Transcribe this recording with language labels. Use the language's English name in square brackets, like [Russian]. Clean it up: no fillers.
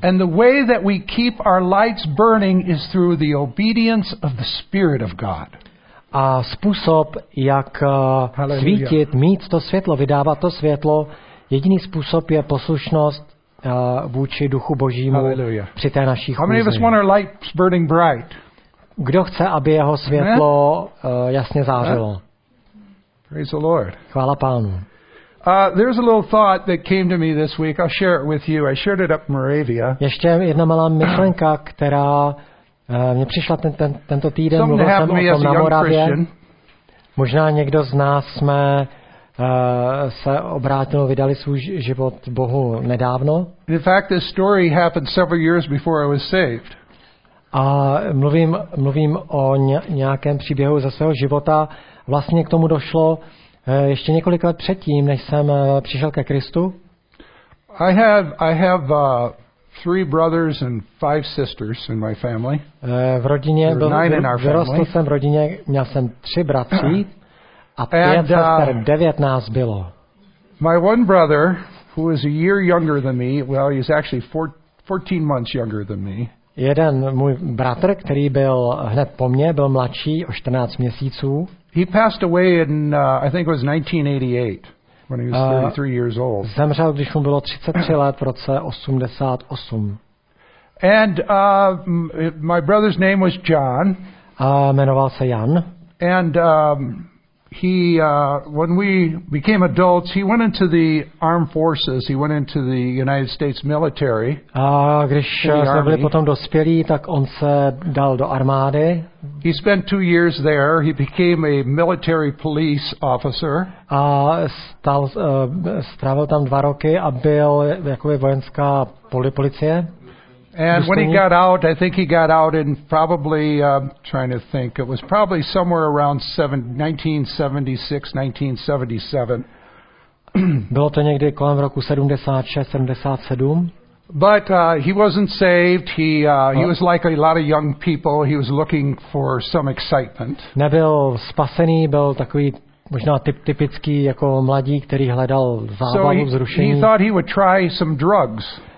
[English] And the way that we keep our lights burning is through the obedience of the Spirit of God. [Czech] A způsob, jak svítit, mít to světlo, vydávat to světlo, jediný způsob je poslušnost vůči Duchu Božímu. [English] Hallelujah. [Czech] Při té naší chůzi. [English] How many of us want our lights burning bright? [Czech] Kdo chce, aby jeho světlo jasně zářilo? [English] Praise the Lord. [Czech] Chvála Pánu. [English] There's a little thought that came to me this week. I'll share it with you. I shared it up in Moravia. [Czech] Ještě jedna malá myšlenka, která mě přišla tento týden. Mluvil jsem o tom na Moravě. Možná někdo z nás jsme se obrátil, vydali svůj život Bohu nedávno. [English] In fact, this story happened several years before I was saved. [Czech] A mluvím o nějakém příběhu ze svého života. Vlastně k tomu došlo ještě několik let předtím, než jsem přišel ke Kristu. [English] I have three brothers and five sisters in my family. [Czech] V rodině byl, vyrostl jsem v rodině, měl jsem tři bratři a pět sester, 19 bylo. [English] My one brother, who is a year younger than me, well, he's actually 14 months younger than me. [Czech] Jeden můj bratr, který byl hned po mně, byl mladší o 14 měsíců. [English] He passed away in I think it was 1988 when he was 33 years old. [Czech] Zemřel, když mu bylo 33 let, v roce 88. [English] And my brother's name was John. [Czech] Jmenoval se Jan. [English] And he when we became adults, he went into the armed forces. He went into the United States military. [Czech] A když jsme byli potom dospělí, tak on se dal do armády. [English] He spent 2 years there. He became a military police officer. [Czech] A strávil tam 2 roky a byl jakoby vojenská policie. [English] And when he got out, I think he got out in probably, trying to think, it was probably somewhere around 1976, 1977. [Czech] Bylo to někdy kolem roku 76, 77. [English] But he wasn't saved. He was like a lot of young people. He was looking for some excitement. [Czech] Nebyl spasený, byl takový možná typický jako mladík, který hledal zábavu, vzrušení. [English] So he thought he would try some drugs.